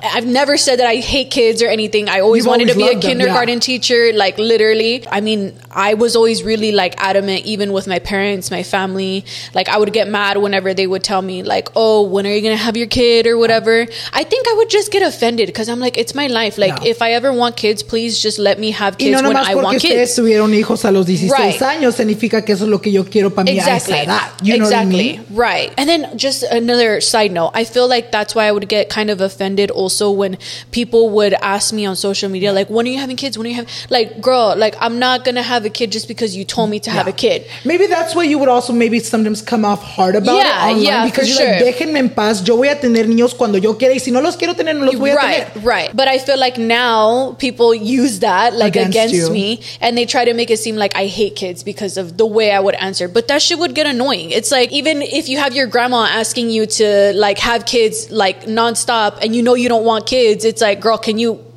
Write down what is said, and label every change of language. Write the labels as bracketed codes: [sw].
[en] I've never said that I hate kids or anything. I always wanted to be a kindergarten teacher, like, literally. I mean, I was always really, like, adamant, even with my parents, my family. Like, I would get mad whenever they would tell me, like, oh, when are you gonna have your kid or whatever? I think I would just get offended because I'm like, it's my life. Like, if I ever want kids, please just let me have kids when I want kids. [es] Y no nomás porque ustedes tuvieron hijos a los 16 años significa que eso es lo que yo quiero para mí a esa edad. [en] You know what I mean? Right. And then just another side note. I feel like that's why I would get kind of offended also when people would ask me on social media, like, when are you having kids? When are you having... Like, girl, like, I'm not going to have a kid just because you told me to have a kid. Maybe that's what you would also maybe sometimes come off hard about it online. Yeah, because you're [es] like, déjenme en paz. Yo voy a tener niños cuando yo quiera y si no los quiero tener, no los voy a tener. [en] Right. But I feel like now people use that like against me and they try to make it seem like I hate kids because of the way I would answer. But that shit would get annoying. It's like, even if you have your grandma asking you to like have kids like nonstop and you know you don't want kids, it's like, girl, can you